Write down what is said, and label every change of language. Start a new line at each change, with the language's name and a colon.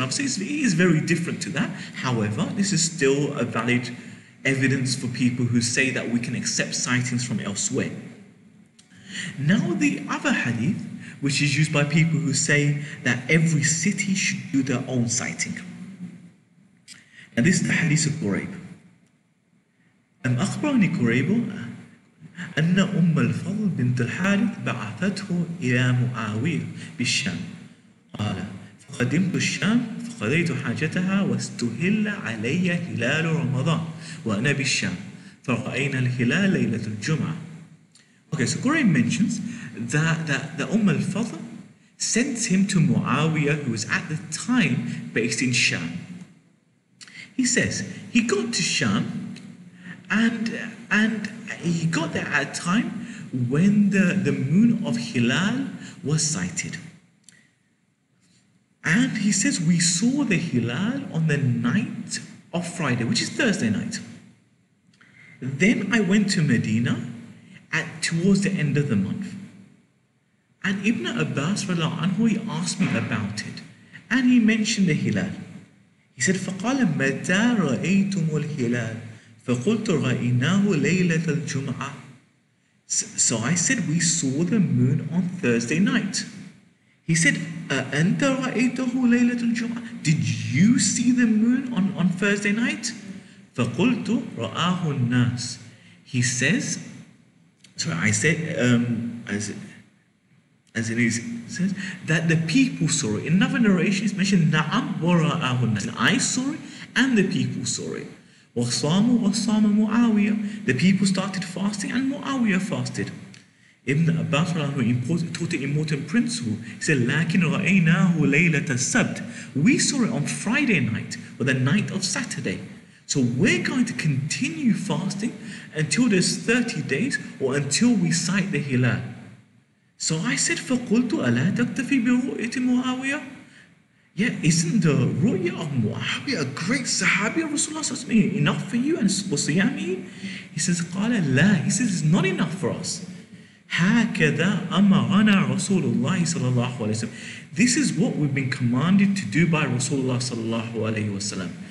English: And obviously it is very different to that. However, this is still a valid evidence for people who say that we can accept sightings from elsewhere. Now the other hadith, which is used by people who say that every city should do their own sighting. And this is the hadith of Quraib.
Arabic: أخبرني قريب أن أم الفضل بنت الحارث بعثته إلى معاوية بالشام قال فقدمت الشام فقضيت حاجتها واستهل علي هلال رمضان وأنا بالشام فرأينا الهلال ليلة الجمعة.
English: Okay, so Quraib mentions that Umm al-Fadl sent him to Muawiyah, who was at the time based in Sham. He says he got to Sham and he got there at a time when the moon of Hilal was sighted. And he says we saw the Hilal on the night of Friday, which is Thursday night. Then I went to Medina towards the end of the month. And Ibn Abbas, he asked me about it. And he mentioned the Hilal. He said,
Arabic: فَقَالَ مَتَى رَأَيْتُمُ الْهِلَالِ فَقُلْتُ رَأَيْنَاهُ لَيْلَةَ الْجُمْعَةِ.
English: So I said, we saw the moon on Thursday night. He said,
Arabic: أَأَنْتَ رَأَيْتَهُ لَيْلَةَ الْجُمْعَةِ.
English: Did you see the moon on Thursday night?
Arabic: فَقُلْتُ رَأَاهُ النَّاسِ.
English: He says, so I said, as it says, that the people saw it. In another narration, it's mentioned,
Arabic: Na'am wa ra'ahu an-nas.
English: I saw it and the people saw it.
Arabic: Wasamu wasama Muawiyah.
English: The people started fasting and Muawiyah fasted. Ibn Abbas taught an important principle. He said,
Arabic: Lakin ra'aynahu laylat as-sabt.
English: We saw it on Friday night, or the night of Saturday. So we're going to continue fasting until there's 30 days or until we sight the Hilal. So I said,
Arabic: فَقُلْتُ أَلَا تَكْتَفِي بِرُؤْيَةِ مُعَاوِيَةِ.
English: Yeah, isn't the ru'ya of Muawiyah a great sahabi of Rasulullah enough for you and Siyami? He says,
Arabic: قَالَ لَا.
English: He says, it's not enough for us.
Arabic: هَكَذَا أَمَرَنَا رَسُولُ اللَّهِ صَلَى اللَّهُ عَلَيْهِ وَسَلَمْ.
English: This is what we've been commanded to do by Rasulullah
Arabic: صلى الله عليه وسلم.